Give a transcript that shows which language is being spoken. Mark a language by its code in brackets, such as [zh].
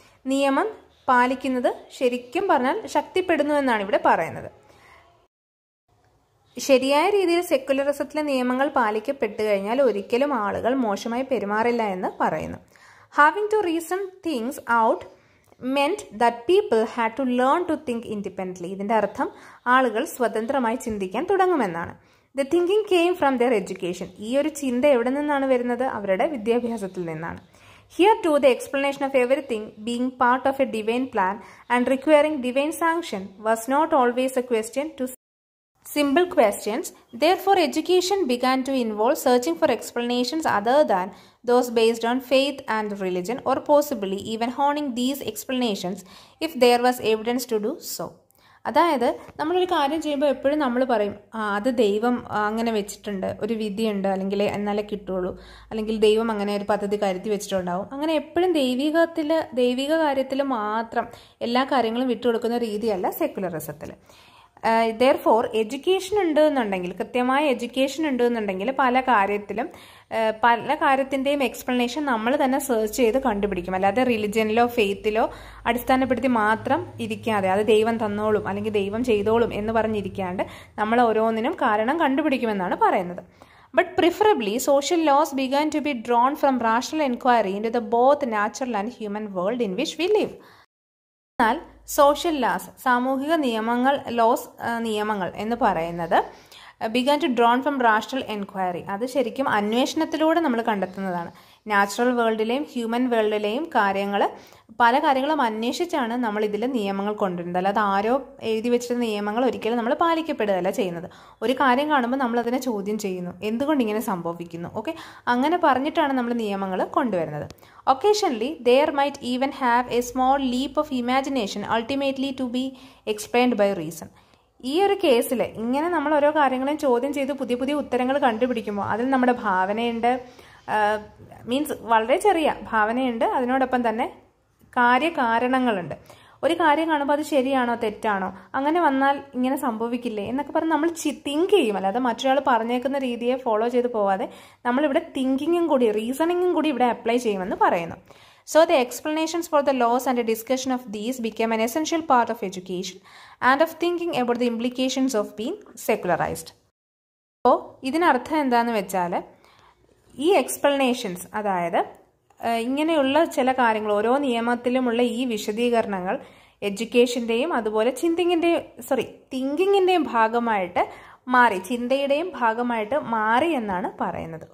[ml] നിയമം പാലിക്കുന്നത് ശരിക്കും പറഞ്ഞാൽ ശക്തിപ്പെടുന്നു എന്നാണ് ഇവിടെ പറയുന്നത്. ശരിയായ രീതിയിൽ സെക്കുലറിസത്തിലെ നിയമങ്ങൾ പാലിക്കപ്പെട്ടു കഴിഞ്ഞാൽ ഒരിക്കലും ആളുകൾ മോശമായി പെരുമാറില്ല എന്ന് പറയുന്നു. [en] Having to reason things out meant that people had to learn to think independently. [ml] ഇതിന്റെ അർത്ഥം ആളുകൾ സ്വതന്ത്രമായി ചിന്തിക്കാൻ തുടങ്ങുമെന്നാണ്. [en] The thinking came from their education. [ml] ഈ ഒരു ചിന്ത എവിടെ നിന്നാണ് വരുന്നത്? അവരുടെ വിദ്യാഭ്യാസത്തിൽ നിന്നാണ്. [en] Here too, the explanation of everything being part of a divine plan and requiring divine sanction was not always a question to simple questions. Therefore, education began to involve searching for explanations other than those based on faith and religion, or possibly even honing these explanations if there was evidence to do so. [ml] അതായത് നമ്മളൊരു കാര്യം ചെയ്യുമ്പോൾ എപ്പോഴും നമ്മൾ പറയും, ആ അത് ദൈവം അങ്ങനെ വെച്ചിട്ടുണ്ട്, ഒരു വിധിയുണ്ട്, അല്ലെങ്കിൽ എന്നാലേ കിട്ടുള്ളൂ, അല്ലെങ്കിൽ ദൈവം അങ്ങനെ ഒരു പദ്ധതി കരുതി വെച്ചിട്ടുണ്ടാവും. അങ്ങനെ എപ്പോഴും ദൈവിക കാര്യത്തിൽ മാത്രം എല്ലാ കാര്യങ്ങളും വിട്ടുകൊടുക്കുന്ന രീതിയല്ല സെക്യുലറിസത്തിൽ. ദെയർഫോർ എഡ്യൂക്കേഷൻ ഉണ്ട് എന്നുണ്ടെങ്കിൽ, കൃത്യമായ എഡ്യൂക്കേഷൻ ഉണ്ട് എന്നുണ്ടെങ്കിൽ പല കാര്യത്തിൻ്റെയും എക്സ്പ്ലനേഷൻ നമ്മൾ തന്നെ സെർച്ച് ചെയ്ത് കണ്ടുപിടിക്കും. അല്ലാതെ റിലിജനിലോ ഫെയ്ത്തിലോ അടിസ്ഥാനപ്പെടുത്തി മാത്രം ഇരിക്കാതെ, അത് ദൈവം തന്നോളും അല്ലെങ്കിൽ ദൈവം ചെയ്തോളും എന്ന് പറഞ്ഞിരിക്കാണ്ട് നമ്മൾ ഓരോന്നിനും കാരണം കണ്ടുപിടിക്കുമെന്നാണ് പറയുന്നത്. [en] But preferably, social laws began to be drawn from rational inquiry into the both natural and human world in which we live. [ml] എന്നാൽ സോഷ്യൽ ലാസ്, സാമൂഹിക നിയമങ്ങൾ, ലോസ് നിയമങ്ങൾ എന്ന് പറയുന്നത് [en] Began to drawn from rational enquiry. [ml] അത് ശരിക്കും അന്വേഷണത്തിലൂടെ നമ്മൾ കണ്ടെത്തുന്നതാണ്. Natural വേൾഡിലെയും human വേൾഡിലെയും കാര്യങ്ങൾ, പല കാര്യങ്ങളും അന്വേഷിച്ചാണ് നമ്മൾ ഇതിൽ നിയമങ്ങൾ കൊണ്ടുവരുന്നത്. അല്ലാതെ ആരോ എഴുതി വെച്ചിട്ട് നിയമങ്ങൾ ഒരിക്കലും നമ്മൾ പാലിക്കപ്പെടുകയല്ല ചെയ്യുന്നത്. ഒരു കാര്യം കാണുമ്പോൾ നമ്മൾ അതിനെ ചോദ്യം ചെയ്യുന്നു, എന്തുകൊണ്ട് ഇങ്ങനെ സംഭവിക്കുന്നു, ഓക്കെ, അങ്ങനെ പറഞ്ഞിട്ടാണ് നമ്മൾ നിയമങ്ങൾ കൊണ്ടുവരുന്നത്. [en] Occasionally there might even have a small leap of imagination ultimately to be explained by reason. [ml] ഈ ഒരു കേസിൽ ഇങ്ങനെ നമ്മൾ ഓരോ കാര്യങ്ങളും ചോദ്യം ചെയ്ത് പുതിയ പുതിയ ഉത്തരങ്ങൾ കണ്ടുപിടിക്കുമ്പോൾ അതിൽ നമ്മുടെ ഭാവനയുണ്ട്, മീൻസ് വളരെ ചെറിയ ഭാവനയുണ്ട്, അതിനോടൊപ്പം തന്നെ കാര്യകാരണങ്ങളുണ്ട്. ഒരു കാര്യം കാണുമ്പോൾ അത് ശരിയാണോ തെറ്റാണോ, അങ്ങനെ വന്നാൽ ഇങ്ങനെ സംഭവിക്കില്ലേ എന്നൊക്കെ പറഞ്ഞ് നമ്മൾ തിങ്ക് ചെയ്യും. അല്ലാതെ മറ്റൊരാൾ പറഞ്ഞേക്കുന്ന രീതിയെ ഫോളോ ചെയ്ത് പോവാതെ നമ്മളിവിടെ തിങ്കിങ്ങും കൂടി റീസണിങ്ങും കൂടി ഇവിടെ അപ്ലൈ ചെയ്യുമെന്ന് പറയുന്നു. [en] So the explanations for the laws and a discussion of these became an essential part of education and of thinking about the implications of being secularized. [ml] So ഇതിനർത്ഥം എന്താണെന്ന് വെച്ചാൽ, ഈ എക്സ്പ്ലനേഷൻസ്, അതായത് ഇങ്ങനെയുള്ള ചില കാര്യങ്ങൾ, ഓരോ നിയമത്തിലുമുള്ള ഈ വിശദീകരണങ്ങൾ എഡ്യൂക്കേഷൻ്റെയും അതുപോലെ തിങ്കിങ്ങിൻ്റെയും ഭാഗമായിട്ട് മാറി, ചിന്തയുടെയും ഭാഗമായിട്ട് മാറി എന്നാണ് പറയുന്നത്.